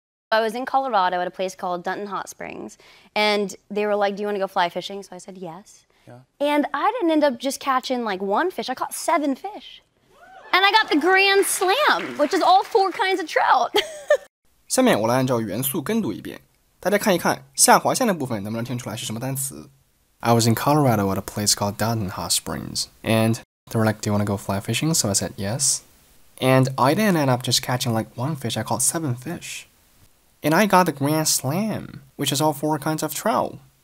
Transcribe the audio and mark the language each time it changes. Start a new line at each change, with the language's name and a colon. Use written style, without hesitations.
English: I was in Colorado at a place called Dutton Hot Springs, and they were like, "Do you want to go fly fishing?" So I said, "Yes." Yeah. And I didn't end up just catching like one fish. I caught seven fish. And I got the Grand Slam, which is all four kinds of trout.
Chinese: 下面我来按照元素跟读一遍，大家看一看下划线的部分能不能听出来是什么单词。
English: I was in Colorado at a place called Dutton Hot Springs, and they were like, "Do you want to go fly fishing?" So I said, "Yes." And I didn't end up just catching like one fish. I caught seven fish. And I got the Grand Slam, which is all four kinds of trout.